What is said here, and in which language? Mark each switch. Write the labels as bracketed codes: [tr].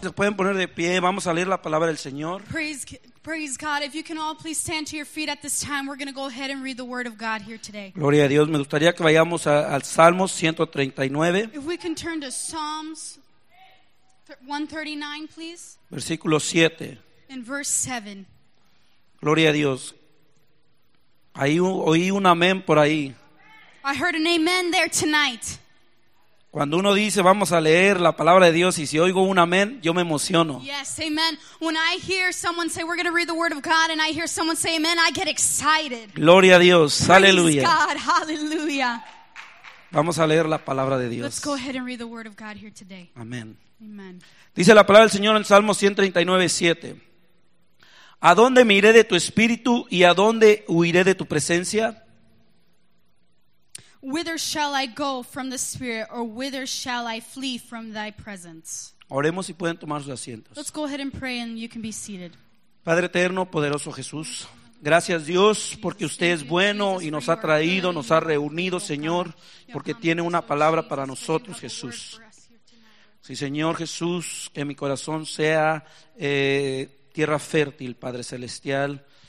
[es] Se pueden poner de pie, vamos a leer la palabra del Señor. [en] Praise God. If you can all please stand to your feet at this time, we're going to go ahead and read the word of God here today. [es] Gloria a Dios. Me gustaría que vayamos al Salmo 139. [en] If we can turn to Psalms 139, please. [es] Versículo 7. [en] In verse 7. [es] Gloria a Dios. Ahí oí un amén por ahí. [en] I heard an amen there tonight. [es] Cuando uno dice vamos a leer la palabra de Dios y si oigo un amén, yo me emociono. [en] Yes, amen. When I hear someone say we're going to read the word of God and I hear someone say amen, I get excited. [es] Gloria a Dios. Aleluya. [en] Praise God. Hallelujah. [es] Vamos a leer la palabra de Dios. [en] Let's go ahead and read the word of God here today. [es] Amén. [en] Amen. [es] Dice la palabra del Señor en Salmo 139:7. ¿A dónde me iré de tu espíritu y a dónde huiré de tu presencia? [en] Whither shall I go from the Spirit, or whither shall I flee from thy presence? [es] Oremos y pueden tomar sus asientos. [en] Let's go ahead and pray and you can be seated. [es] Padre eterno, poderoso Jesús, gracias Dios porque usted es bueno y nos ha traído, nos ha reunido, Señor, porque tiene una palabra para nosotros, Jesús. Sí, Señor Jesús, que mi corazón sea tierra fértil, Padre celestial.